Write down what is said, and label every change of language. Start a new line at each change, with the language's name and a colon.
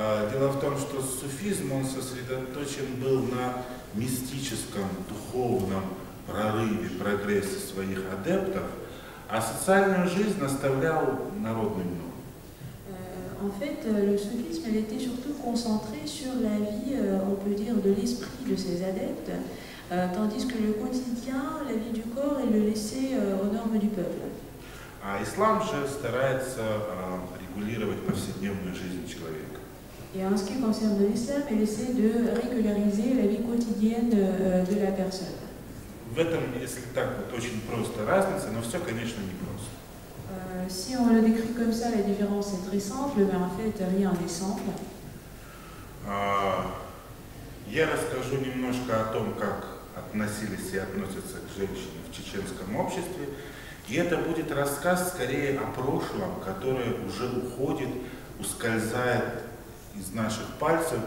Russian: Дело в том, что суфизм он сосредоточен был на мистическом, духовном прорыве, прогрессе своих адептов, а социальную жизнь оставлял народным нормам.
French: En fait, le soufisme était surtout concentré sur la vie, on peut dire, de l'esprit de ses adeptes, tandis que le quotidien, la vie du corps, il le laissait aux normes du peuple.
Russian: А ислам же старается регулировать повседневную жизнь человека. И
French: en ce qui concerne l'islam, il essaie de régulariser la vie quotidienne de la personne.
Russian: В этом, если так вот очень просто, разница, но все, конечно, не просто.
French: Si on le décrit comme ça, la différence est très simple, mais en fait, rien n'est simple.
Russian: Я расскажу немножко о том, как относились и относятся к женщине в чеченском обществе. И это будет рассказ скорее о прошлом, которое уже уходит, ускользает из наших пальцев.